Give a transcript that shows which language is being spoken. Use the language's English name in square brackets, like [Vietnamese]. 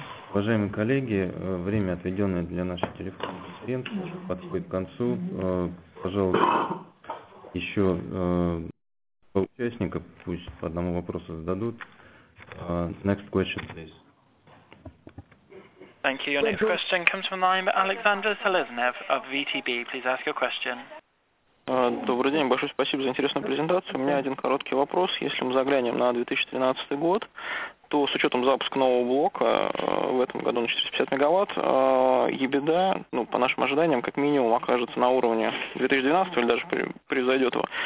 [Russian] Уважаемые коллеги, время, отведенное для нашей телефонной конференции, подходит к концу. Пожалуйста, еще участников пусть по одному вопросу зададут. [English] Next question, please. Thank you. Your next question comes from the line of Alexander Selesnev of VTB. Please ask your question. [Russian] Добрый день. Большое спасибо за интересную презентацию. У меня один короткий вопрос. Если мы заглянем на 2013 год, то с учетом запуска нового блока в этом году на 450 мегаватт, EBITDA, ну, по нашим ожиданиям, как минимум окажется на уровне 2012 или даже превзойдет его.